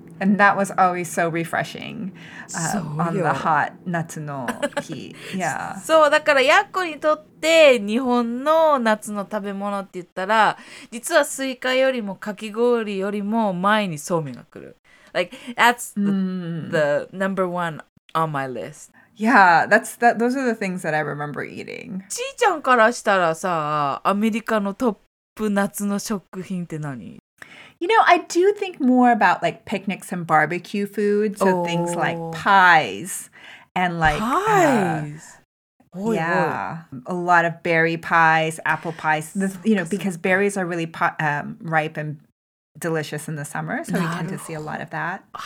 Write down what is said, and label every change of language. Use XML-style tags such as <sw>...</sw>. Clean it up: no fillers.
<en>and that was always so refreshing、on the hot</en> <ja>夏の日、</ja> <en>yeah.</en> <ja>そうだからヤッコにとって日本の夏の食べ物って言ったら、実はスイカよりもかき氷よりも前にそうめんが来る。</ja> <en>Like, that's the number one on my list. Yeah, that's, that, those are the things that I remember eating.</en> <ja>ちーちゃんからしたらさ、アメリカのトップ夏の食品って何？</ja> <en>You know, I do think more about like picnics and barbecue food. So things like pies and like... Pies? Yeah, a lot of berry pies, apple pies. You know, because berries are really ripe and... delicious in the summer, so we tend to see a lot of that.</en>